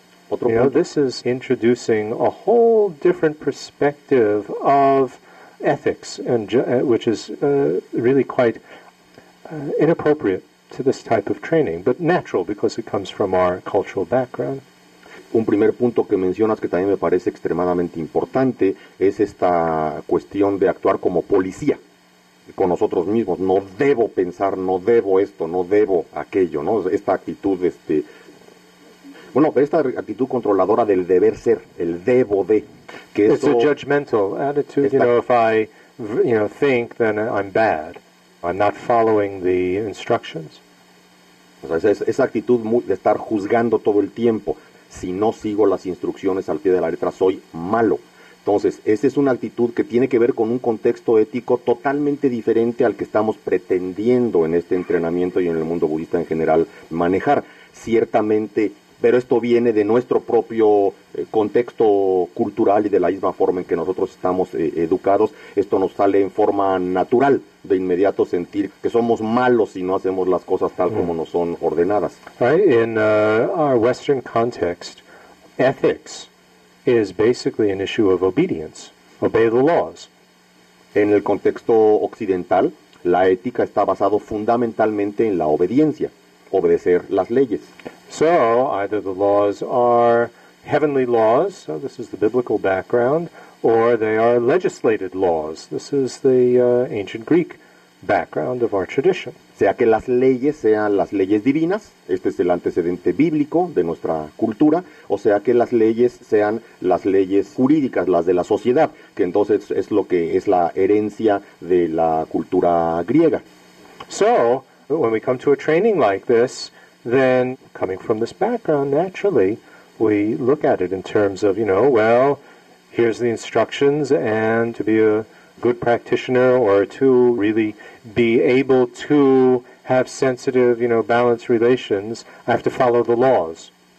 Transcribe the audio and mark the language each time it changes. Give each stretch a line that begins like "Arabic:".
Spanish: Otro
English: you
Spanish: punto.
English: Know, this is introducing a whole different perspective of ethics, and which is really quite inappropriate to this type of training, but natural because it comes from our cultural background.
Spanish: Un primer punto que mencionas que también me parece extremadamente importante es esta cuestión de actuar como policía con nosotros mismos. No debo pensar, no debo esto, no debo aquello, ¿no? Esta actitud, esta actitud controladora del deber ser, el debo de, que
English: es a judgmental attitude.
Spanish: Esta,
English: you know, if I, you know, think, then I'm bad. I'm not following the instructions.
Spanish: O sea, esa actitud de estar juzgando todo el tiempo, si no sigo las instrucciones al pie de la letra, soy malo. Entonces, esa es una actitud que tiene que ver con un contexto ético totalmente diferente al que estamos pretendiendo en este entrenamiento y en el mundo budista en general manejar. Ciertamente, pero esto viene de nuestro propio contexto cultural y de la misma forma en que nosotros estamos educados. Esto nos sale en forma natural de inmediato sentir que somos malos si no hacemos las cosas tal como nos son ordenadas.
English: Right? In our Western context, ethics is basically an issue of obedience. Obey the laws.
Spanish: En el contexto occidental, la ética está basado fundamentalmente en la obediencia, obedecer las leyes.
English: So, either the laws are heavenly laws, so this is the biblical background, or they are legislated laws, this is the ancient Greek background of our tradition.
Spanish: Sea que las leyes sean las leyes divinas, este es el antecedente bíblico de nuestra cultura, o sea que las leyes sean las leyes jurídicas, las de la sociedad, que entonces es lo que es la herencia de la cultura griega.
English: So, when we come to a training like this, then, coming from this background, naturally, we look at it in terms of, you know, well, here's the instructions, and to be a good practitioner, or to really be able to have sensitive, you know, balanced relations, I have to follow the laws.